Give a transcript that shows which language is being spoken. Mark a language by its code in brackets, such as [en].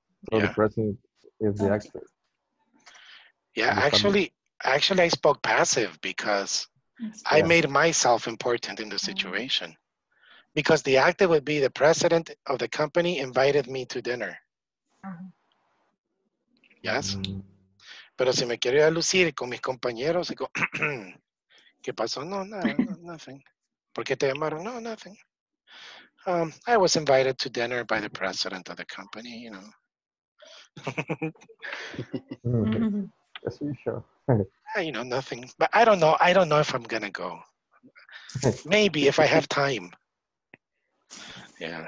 [en] So yeah. The president is the actor. Yeah, actually I spoke passive because I made myself important in the situation. Because the active would be the president of the company invited me to dinner. Yes. [es] Pero si me quiero ir a lucir con mis compañeros, y ¿qué pasó? No, nada, [en] nothing. [es] ¿Por qué te llamaron? No, nothing. [en] I was invited to dinner by the president of the company, you know. That's for sure. You know, nothing. But I don't know. I don't know if I'm going to go. Maybe if I have time. Yeah.